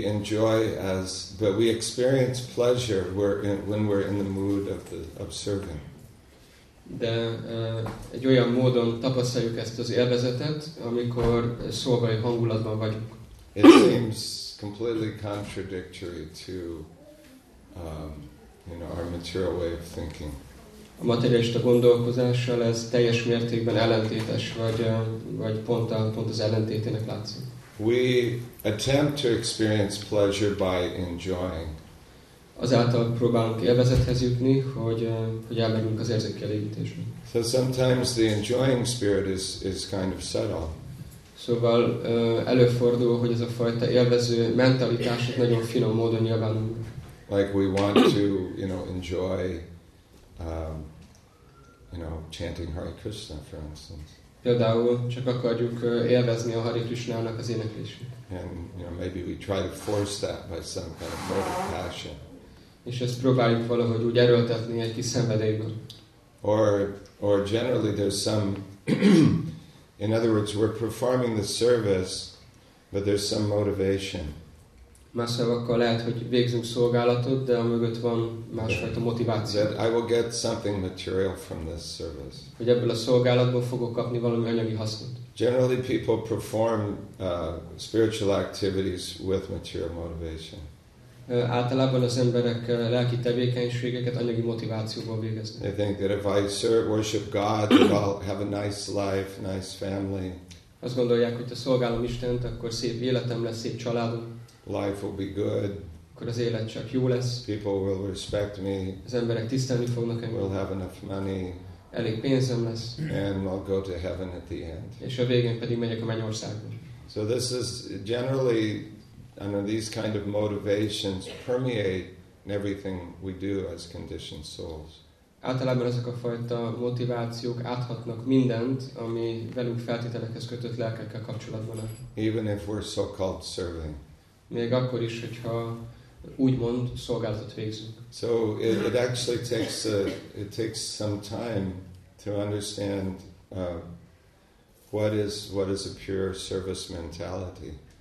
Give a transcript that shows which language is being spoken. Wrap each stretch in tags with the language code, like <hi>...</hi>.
<en>But we experience pleasure when we're in the mood of the observing.</en> <hu>De egy olyan módon tapasztaljuk ezt az élvezetet, amikor szolgai hangulatban vagyunk.</hu> <en>It seems completely contradictory to you know, our material way of thinking.</en> <hu>A materialista gondolkozással ez teljes mértékben ellentétes, vagy pont az ellentétének látszik.</hu> <en>We attempt to experience pleasure by enjoying.</en> <hu>Azáltal próbálunk élvezethez jutni, hogy elmegyünk az érzékelégítésre.</hu> <en>So sometimes the enjoying spirit is kind of subtle.</en> <hu>Szóval előfordul, hogy ez a fajta élvező mentalitás nagyon finom módon nyilvánul.</hu> <en>Like we want to, you know, enjoy, you know, chanting Hare Krishna, for instance.</en> <hu>Például csak akarjuk élvezni a Hare Krishnának az éneklését.</hu> <en>And you know, maybe we try to force that by some kind of motive passion.</en> <hu>És ezt próbáljuk valahogy úgy erőltetni egy kis szenvedélyből.</hu> <en>Or generally there's some in other words we're performing the service but there's some motivation.</en> <hu>Más szavakkal lehet, hogy végzünk szolgálatot, de a mögött van másfajta motiváció.</hu> <en>That I will get something material from this service.</en> <hu>Hogy ebből a szolgálatból fogok kapni valami anyagi hasznot.</hu> <en>Generally people perform spiritual activities with material motivation.</en> <hu>Általában az emberek lelki tevékenységeket anyagi motivációval végeznek.</hu> <en>They think that if I serve, worship God, then I'll have a nice life, nice family.</en> <hu>Azt gondolják, hogy ha szolgálom Istent, akkor szép életem lesz, szép családom.</hu> <en>Life will be good.</en> <hu>Akkor az élet csak jó lesz.</hu> <en>People will respect me.</en> <hu>Az emberek tisztelni fognak engem.</hu> <en>We'll have enough money.</en> <hu>Elég pénzem lesz.</hu> <en>And I'll go to heaven at the end.</en> <hu>És a végén pedig megyek a mennyországba.</hu> <en>So this is generally, and these kind of motivations permeate in everything we do as conditioned souls.</en> <hu>Általában ezek a fajta motivációk áthatnak mindent, ami velünk feltételekhez kötött lelkekkel kapcsolatban.</hu> <en>Even if we're so-called serving.</en> <hu>Még akkor is, hogyha úgymond szolgálatot végzünk.</hu> <en>So it actually takes it takes some time to understand what is a pure service mentality.</en>